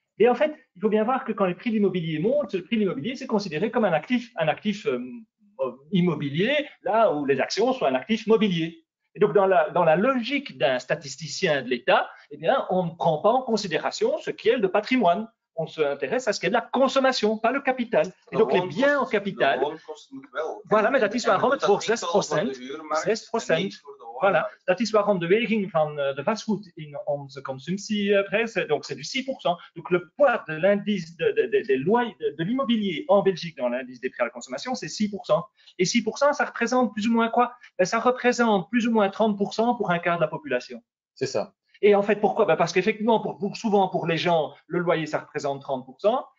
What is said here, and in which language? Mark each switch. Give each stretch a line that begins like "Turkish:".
French: Et en fait, il faut bien voir que quand les prix de l'immobilier montent, le prix de l'immobilier, c'est considéré comme un actif immobilier, là où les actions sont un actif mobilier. Et donc, dans la logique d'un statisticien de l'État, eh bien, on ne prend pas en considération ce qui est le patrimoine. On s'intéresse à ce qui est de la consommation, pas le capital. Et donc, les biens en capital… Voilà, mais
Dutch: dat is waarom het voor 6%, 6%. Voilà, dat is waarom de weging van de vastgoed in onze consumptieprijs,
French: donc c'est du 6%. Donc le poids de l'indice de l'immobilier en Belgique dans l'indice des prix à la consommation, c'est 6%. Et 6%, ça représente plus ou moins quoi? Ben, ça représente plus ou moins 30% pour un quart de la population. C'est ça. Et en fait, pourquoi? Ben, parce qu'effectivement, pour les gens, le loyer, ça représente 30%.